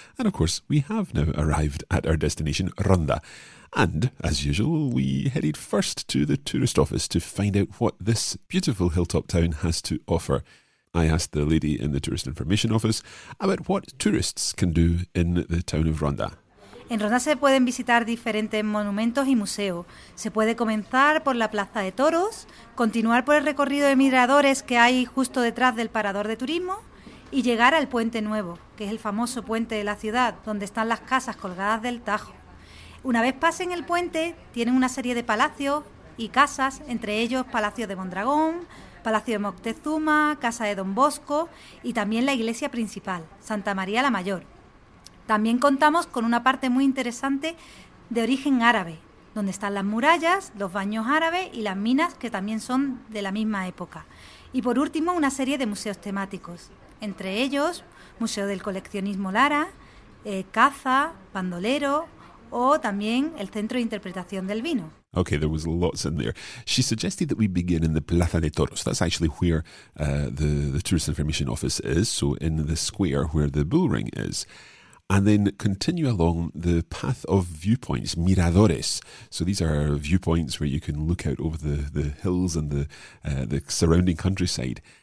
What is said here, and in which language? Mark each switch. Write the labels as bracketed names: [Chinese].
[English] And of course, we have now arrived at our destination, Ronda. And, as usual, we headed first to the tourist office to find out what this beautiful hilltop town has to offer. I asked the lady in the tourist information office about what tourists can do in the town of Ronda. [Spanish] En Ronda se pueden visitar diferentes monumentos y museos. Se puede comenzar por la Plaza de Toros, continuar por el recorrido de miradores que hay justo detrás del parador de turismo y llegar al Puente Nuevo, que es el famoso puente de la ciudad, donde están las casas colgadas del Tajo. Una vez pasen el puente, tienen una serie de palacios y casas, entre ellos Palacio de Mondragón, Palacio de Moctezuma, Casa de Don Bosco y también la iglesia principal, Santa María la Mayor. También contamos con una parte muy interesante de origen árabe, donde están las murallas, los baños árabes y las minas, que también son de la misma época. Y por último, una serie de museos temáticos, entre ellos Museo del Coleccionismo Lara, Caza, Bandolero o también el Centro de Interpretación del Vino. [English] Okay, there was lots in there. She suggested that we begin in the Plaza de Toros. That's actually where the Tourist Information Office is, so in the square where the bullring is. And then continue along the path of viewpoints, miradores. So these are viewpoints where you can look out over the hills and the surrounding countryside.